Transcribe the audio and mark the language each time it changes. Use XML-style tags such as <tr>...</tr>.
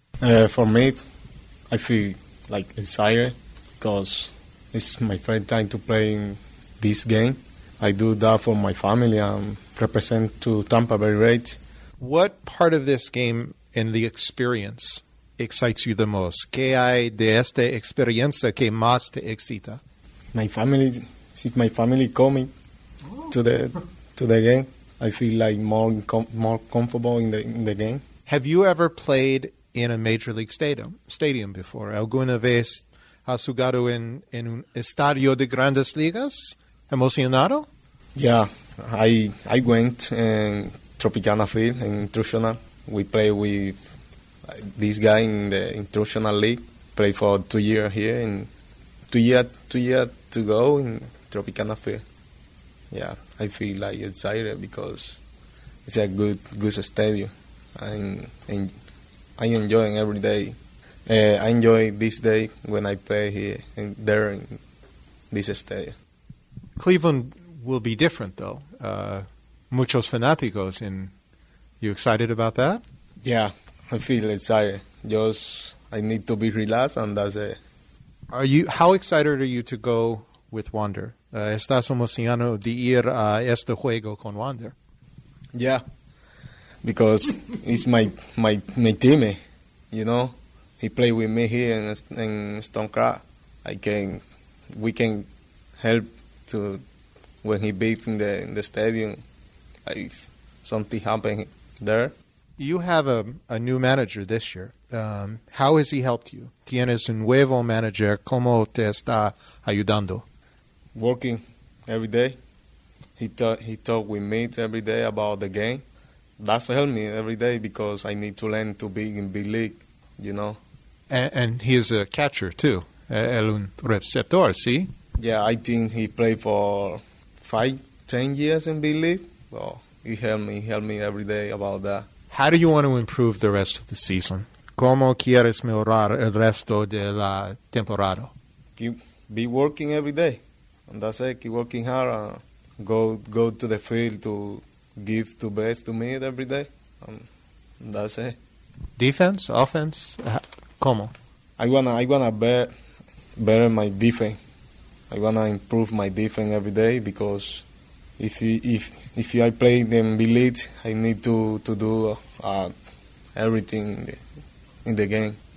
<en>For me, I feel like excited because it's my first time to play in this game. I do that for my family and represent to Tampa Bay Rays. What part of this game and the experience excites you the most?</en> <es>¿Qué hay de esta experiencia que más te excita?</es> <en>My family, see my family coming to the game. I feel like more comfortable in the game. Have you ever played in a major league stadium before?</en> <es>¿Alguna vez has jugado en un estadio de grandes ligas? ¿Emocionado?</es> <en>Yeah, I went in Tropicana Field in Intrusional. We play with this guy in the Intrusional League. Played for 2 years here, and two years to go in Tropicana Field. Yeah, I feel like excited because it's a good stadium, and I'm enjoying every day. I enjoy this day when I play here and there in this stadium. Cleveland will be different, though.</en> <es>Muchos fanáticos.</es> <en>You excited about that? Yeah, I feel excited. Just I need to be relaxed, and that's it. How excited are you to go with Wander?</en> <es>¿Estás emocionado de ir a este juego con Wander?</es> <en>Yeah, because he's my teammate, you know? He played with me here in Stone Crab. We can help to when he beat in the stadium, something happened there. You have a new manager this year. How has he helped you?</en> <es>Tienes un nuevo manager. ¿Cómo te está ayudando?</es> <en>Working every day. He talk with me every day about the game. That's helped me every day because I need to learn to be in big league, you know. And he is a catcher too.</en> <es>El un receptor, ¿sí?</es> <en>Yeah, I think he played for 5-10 years in big league. Well, he helped me every day about that. How do you want to improve the rest of the season? ¿Cómo quieres mejorar el resto de la temporada? Keep be working every day. And that's it, keep working hard. Go to the field to give the best to me every day. And that's it. Defense, offense,</en> <es>¿cómo?</es> <en>I wanna better my defense. I want to improve my defense every day because if I play in B League, I need to do everything in the game.</en>